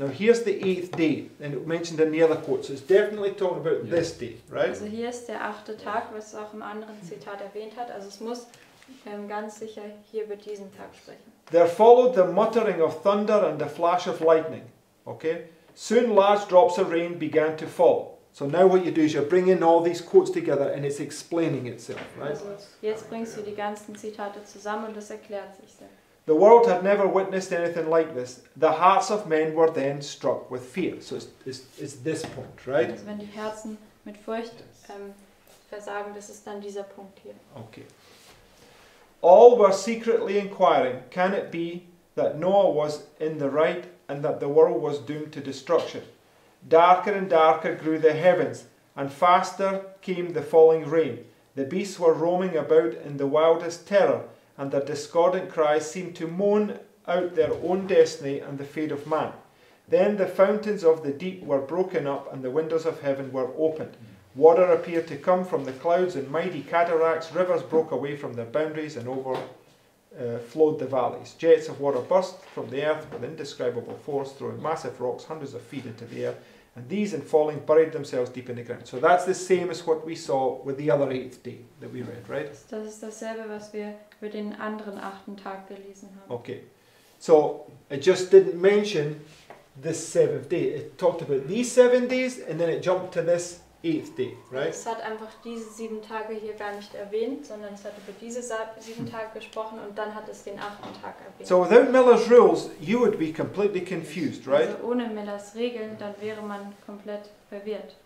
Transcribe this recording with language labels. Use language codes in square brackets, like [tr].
[en] Now here's the 8th day, and it mentioned in the other quote, so it's definitely talking about this day, right? [de] Also hier ist der 8. Tag, was auch im anderen Zitat erwähnt hat, also es muss ganz sicher hier über diesen Tag sprechen. [en] There followed the muttering of thunder and the flash of lightning. Okay? Soon large drops of rain began to fall. So now what you do is you're bringing all these quotes together and it's explaining itself, right? [de] Also jetzt bringst du die ganzen Zitate zusammen und das erklärt sich dann. [en] The world had never witnessed anything like this. The hearts of men were then struck with fear. So it's this point, right? [de] Also wenn die Herzen mit Furcht versagen, das ist dann dieser Punkt hier. [en] Okay. All were secretly inquiring, can it be that Noah was in the right and that the world was doomed to destruction? Darker and darker grew the heavens, and faster came the falling rain. The beasts were roaming about in the wildest terror, and their discordant cries seemed to moan out their own destiny and the fate of man. Then the fountains of the deep were broken up and the windows of heaven were opened. Water appeared to come from the clouds in mighty cataracts. Rivers broke away from their boundaries and overflowed the valleys. Jets of water burst from the earth with indescribable force, throwing massive rocks hundreds of feet into the air. And these, in falling, buried themselves deep in the ground. So that's the same as what we saw with the other 8th day that we read, right? [de] Das ist dasselbe, was wir über den anderen 8. Tag gelesen haben. [en] Okay. So it just didn't mention this 7th day. It talked about these 7 days and then it jumped to this 8th day, right? [de] Es hat einfach diese 7 Tage hier gar nicht erwähnt, sondern es hat über diese 7 Tage gesprochen und dann hat es den 8. Tag erwähnt. [en] So without Miller's rules, you would be completely confused, right? [de] Also ohne Millers Regeln, dann wäre man komplett verwirrt.